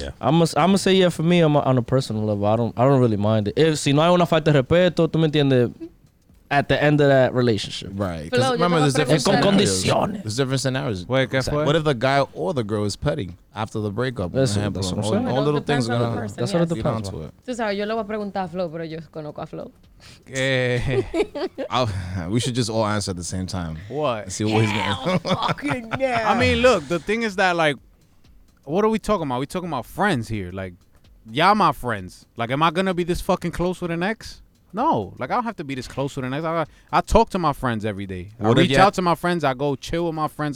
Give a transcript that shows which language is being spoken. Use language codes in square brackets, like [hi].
[en] I'm gonna say yeah for me on a personal level. I don't really mind it. If [es] si no hay una falta de respeto, tú me entiendes, [en] at the end of that relationship. Right. Cuz remember there's different scenarios. [es] Con condiciones. [en] There's different scenarios. Wait, guess exactly. What if the guy or the girl is petty after the breakup? That's what I'm saying. All little things going on. That's what it depends on. [es] Tú sabes, yo le voy a preguntar a Flo, pero yo conozco a Flo. [en] We should just all answer at the same time. What? See what he's going. Fucking yeah. I mean, look, the thing is that, like, what are we talking about? We talking about friends here. Like, y'all my friends. Like, am I going to be this fucking close with an ex? No. Like, I don't have to be this close with an ex. I talk to my friends every day. What I reach out to my friends. I go chill with my friends.